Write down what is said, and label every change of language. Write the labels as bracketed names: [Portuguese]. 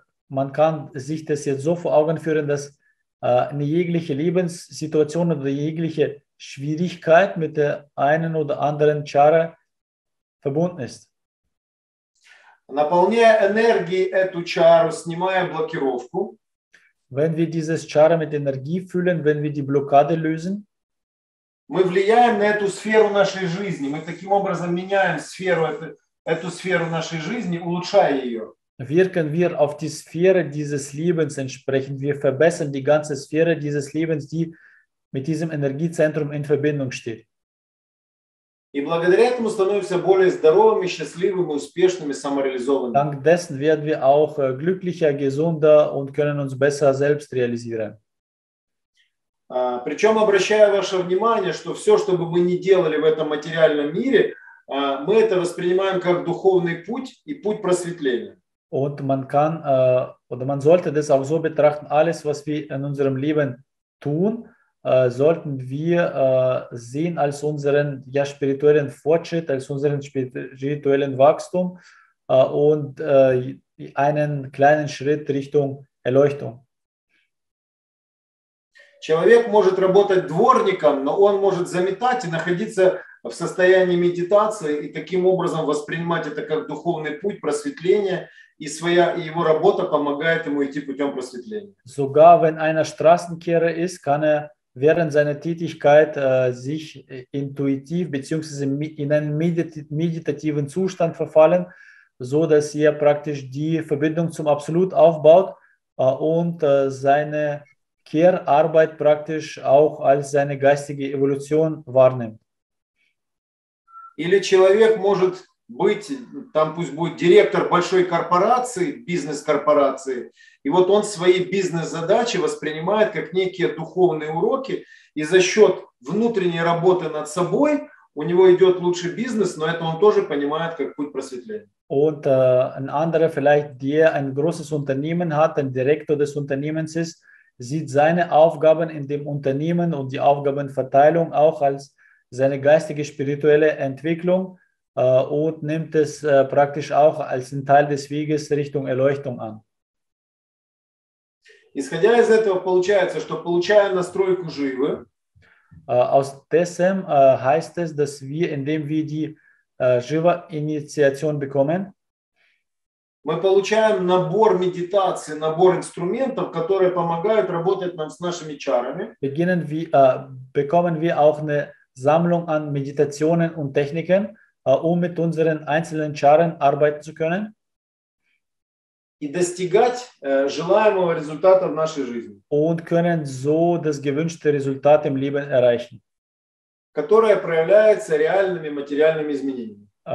[German] Man kann sich das jetzt so vor Augen führen, dass eine jegliche Lebenssituation oder jegliche Schwierigkeit mit der einen oder anderen Chara verbunden ist. [Russian] Наполняя энергией эту чару, снимая блокировку. [German] Wenn wir dieses Chara mit Energie füllen, wenn wir die Blockade lösen, [Russian] мы влияем на эту сферу нашей жизни. Мы таким образом меняем сферу, эту сферу нашей жизни, улучшая ее. [German] Wirken wir auf die Sphäre dieses Lebens entsprechend. Wir verbessern die ganze Sphäre dieses Lebens, die mit diesem Energiezentrum in Verbindung steht. [Russian] И благодаря этому становимся более здоровыми, счастливыми, успешными, самореализованными. [German] Dank dessen werden wir auch glücklicher, gesünder und können uns besser selbst realisieren. [Russian] Причем обращаю ваше внимание, что все, что бы мы ни делали в этом материальном мире, мы это воспринимаем как духовный путь и путь просветления. [German] Und man kann, oder man sollte das auch so betrachten, alles, was wir in unserem Leben tun, sollten wir sehen als unseren ja, spirituellen Fortschritt, als unseren spirituellen Wachstum und einen kleinen Schritt Richtung Erleuchtung. [Russian] Человек может работать дворником, но он может заметать и находиться в состоянии медитации и таким образом воспринимать это как духовный путь просветления, и своя и его работа помогает ему идти путем просветления. [German] Sogar wenn einer Straßenkehrer ist, kann während seiner Tätigkeit sich intuitiv bzw. in einen meditativen Zustand verfallen, so dass praktisch die Verbindung zum Absolut aufbaut und seine Kehrarbeit praktisch auch als seine geistige Evolution wahrnimmt. [Russian] Или человек может быть, там пусть будет директор большой корпорации, бизнес-корпорации, и вот он свои бизнес-задачи воспринимает как некие духовные уроки, и за счет внутренней работы над собой у него идет лучший бизнес, но это он тоже понимает как путь просветления. [German] Und ein anderer vielleicht, der ein großes Unternehmen hat, ein Direktor des Unternehmens ist, sieht seine Aufgaben in dem Unternehmen und die Aufgabenverteilung auch als seine geistige spirituelle Entwicklung und nimmt es praktisch auch als einen Teil des Weges Richtung Erleuchtung an. [Russian] Исходя из этого получается, что получая настройку живы, [German] aus dessen heißt es, dass wir, indem wir die Jiva-Initiation bekommen, [Russian] мы получаем набор медитаций, набор инструментов, которые помогают работать нам с нашими чарами. [German] Beginnen wir, bekommen wir auch eine Sammlung an Meditationen und Techniken, um mit unseren einzelnen Charen arbeiten zu können. [Russian] И достигать желаемого результата в нашей жизни. [German] Und können so das gewünschte Resultat im Leben erreichen. [Russian] Которое проявляется реальными материальными изменениями.